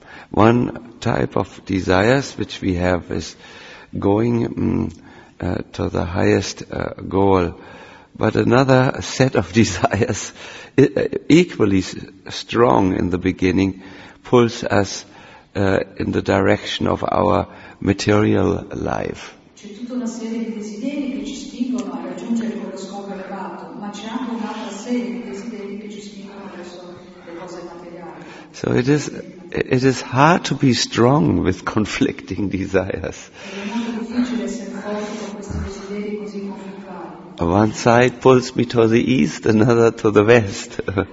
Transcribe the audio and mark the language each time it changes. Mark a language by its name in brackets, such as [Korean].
[English] One type of desires which we have is going to the highest goal, but another set of desires equally strong in the beginning pulls us in the direction of our material life. [Italian] C'è tutta una serie di desideri che ci spingono a raggiungere quello scopo elevato, ma c'è anche un'altra serie di desideri che ci spingono verso le cose materiali. [English] So it is hard to be strong with conflicting desires. [Italian] È molto difficile essere forte con questi desideri così conflittuali. [English] One side pulls me to the east, another to the west.